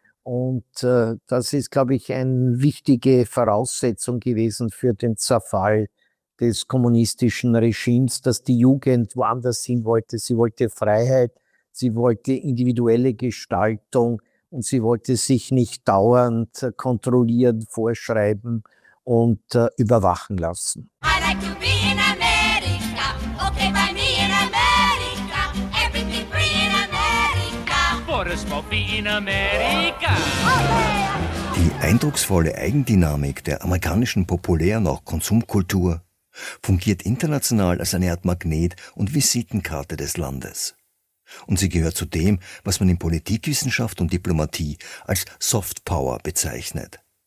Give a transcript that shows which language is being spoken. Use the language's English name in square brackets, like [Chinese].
[German] Und das ist, glaube ich, eine wichtige Voraussetzung gewesen für den Zerfall des kommunistischen Regimes, dass die Jugend woanders hin wollte. Sie wollte Freiheit, sie wollte individuelle Gestaltung und sie wollte sich nicht dauernd kontrollieren, vorschreiben und überwachen lassen. [English] I like to be in America, okay by me in America, everything free in America, for a small fee in America. [German] Die eindrucksvolle Eigendynamik der amerikanischen Populär- und auch Konsumkultur fungiert international als eine Art Magnet und Visitenkarte des Landes. Und sie gehört zu dem, was man in Politikwissenschaft und Diplomatie als Soft Power bezeichnet.